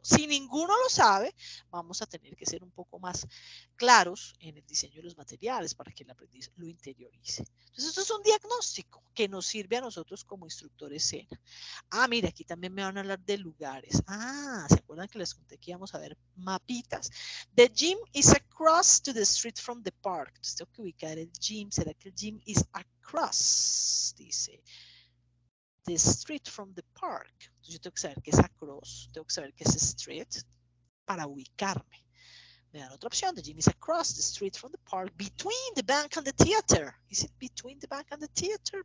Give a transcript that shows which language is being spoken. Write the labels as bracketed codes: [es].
[es] Si ninguno lo sabe, vamos a tener que ser un poco más claros en el diseño de los materiales para que el aprendiz lo interiorice. Entonces, esto es un diagnóstico que nos sirve a nosotros como instructores SENA. Ah, mira, aquí también me van a hablar de lugares. Ah, ¿se acuerdan que les conté que íbamos a ver mapitas? [en] The gym is across to the street from the park. [es] Entonces, tengo que ubicar el gym. ¿Será que el gym [en] is across? [es] Dice [en] the street from the park. [es] Entonces yo tengo que saber qué es across, tengo que saber qué es street para ubicarme. Me dan otra opción, [en] the gym is across the street from the park, between the bank and the theater. Is it between the bank and the theater?